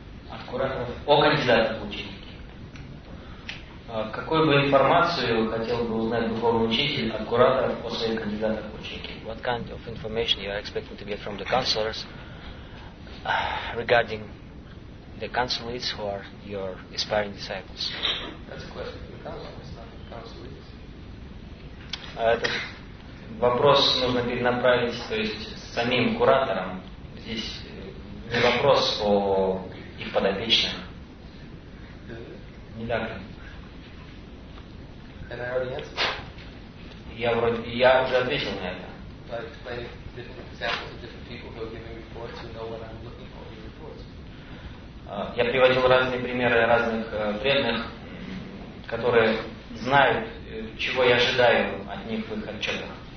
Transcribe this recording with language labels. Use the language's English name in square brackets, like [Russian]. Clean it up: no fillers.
[Russian] От кураторов о кандидатах учителей. Какую бы информацию хотел бы узнать духовный учитель от кураторов о своих кандидатах в ученики? [English] What kind of information you are expecting to get from the counselors regarding the counselees who are your aspiring disciples? That's a question for the counselors, not the counselees. [Russian] Этот вопрос нужно перенаправить, то есть самим кураторам. Здесь не вопрос о их подопечных. Не так ли? [English] And I already answered. [Russian] Я уже ответил на это. [English] By explaining different examples of different people who are giving reports, you know what I'm looking for in reports. [Russian] Я приводил разные примеры разных преданных, которые знают, чего я ожидаю от них в их отчетах.